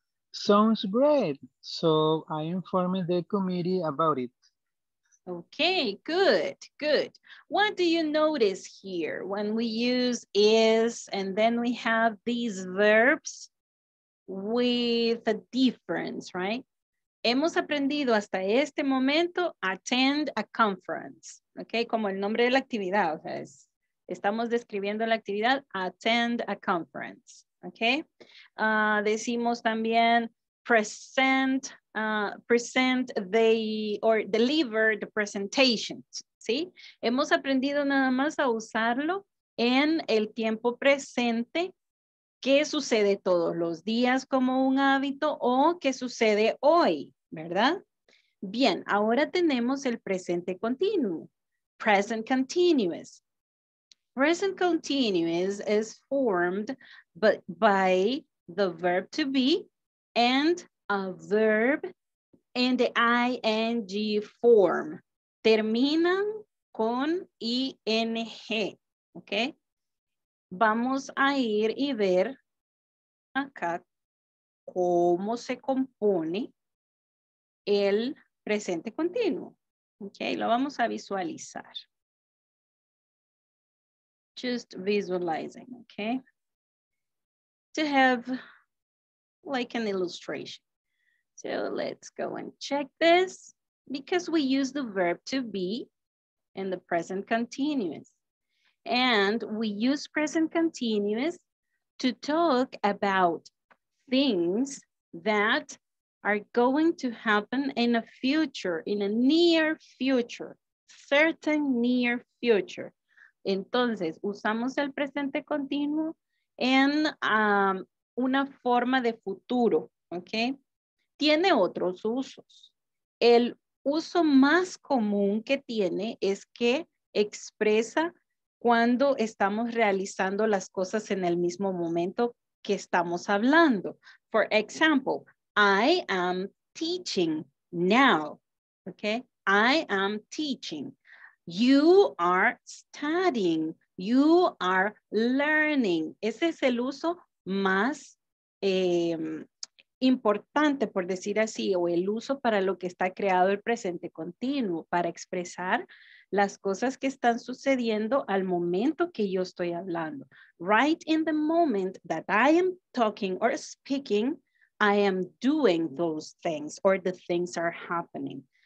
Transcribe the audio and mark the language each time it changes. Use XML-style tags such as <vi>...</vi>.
<en>Sounds great, so I informed the committee about it. Okay, good, good. What do you notice here when we use is and then we have these verbs with a difference, right?</en> <es>Hemos aprendido hasta este momento</es> <en>attend a conference,</en> <es>okay? Como el nombre de la actividad, o sea, es, estamos describiendo la actividad</es> <en>attend a conference,</en> <es>okay? Decimos también</es> <en>present, present the or deliver the presentation, ¿sí?</en> <es>Hemos aprendido nada más a usarlo en el tiempo presente, que sucede todos los días como un hábito o que sucede hoy, ¿verdad? Bien, ahora tenemos el presente continuo, present continuous.</es> <en>Present continuous is formed by the verb to be and a verb in the ing form.</en> <es>Terminan con ing, ¿ok? Vamos a ir y ver acá cómo se compone el presente continuo. Ok, lo vamos a visualizar.</es> <en>Just visualizing, ok? To have like an illustration. So let's go and check this because we use the verb to be in the present continuous. And we use present continuous to talk about things that are going to happen in a future, in a near future, certain near future.</en> <es>Entonces, usamos el presente continuo en una forma de futuro, okay? Tiene otros usos. El uso más común que tiene es que expresa cuando estamos realizando las cosas en el mismo momento que estamos hablando.</es> <en>For example, I am teaching now, okay? I am teaching. You are studying. You are learning.</en> <es>Ese es el uso más importante, por decir así, o el uso para lo que está creado el presente continuo, para expresar las cosas que están sucediendo al momento que yo estoy hablando.</es> <en>Right in the moment that I am talking or speaking, I am doing those things or the things are happening.</en>